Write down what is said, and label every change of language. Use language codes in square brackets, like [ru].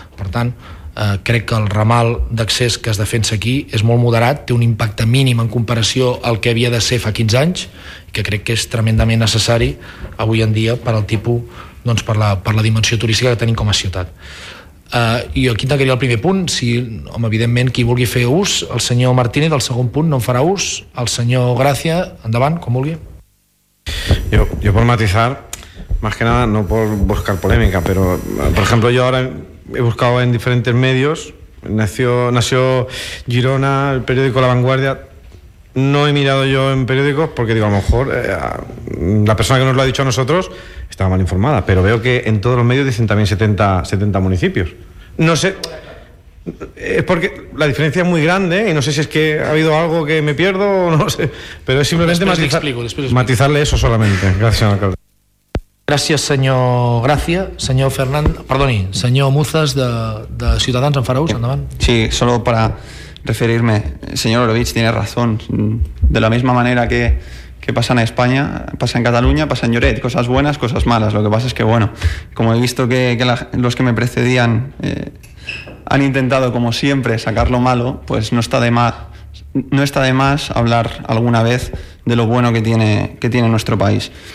[ca] Per tant, crec que el ramal d'accés que es defensa aquí és molt moderat, té un impacte mínim en comparació al que havia de ser fa 15 anys, que crec que és tremendament necessari avui en dia per al tipus, doncs per la dimensió turística que tenim com a ciutat. I aquí tancaria el primer punt. Si, home, evidentment, qui vulgui fer ús, el senyor Martínez, del segon punt, no en farà ús. El senyor Gracia, endavant, com vulgui. [es] Yo por matizar, más que nada, no por buscar polémica, pero, por ejemplo, yo ahora he buscado en diferentes medios, nació Girona, el periódico La Vanguardia. No he mirado yo en periódicos porque digo, a lo mejor la persona que nos lo ha dicho a nosotros estaba mal informada, pero veo que en todos los medios dicen también 70 municipios. No sé, es porque la diferencia es muy grande y no sé si es que ha habido algo que me pierdo o no sé, pero es simplemente matizarle eso solamente. Gracias, señor alcalde. [ca] Gràcies, senyor Gracia. Senyor Fernández, perdoni, senyor Muzas de Ciutadans, en farà ús, endavant. [es] Sí, solo para referirme, señor Orovitz tiene razón. De la misma manera que pasa en España, pasa en Cataluña, pasa en Lloret. Cosas buenas, cosas malas. Lo que pasa es que, bueno, como he visto que los que me precedían han intentado, como siempre, sacar lo malo, pues no está de más, no está de más hablar alguna vez de lo bueno que tiene nuestro país.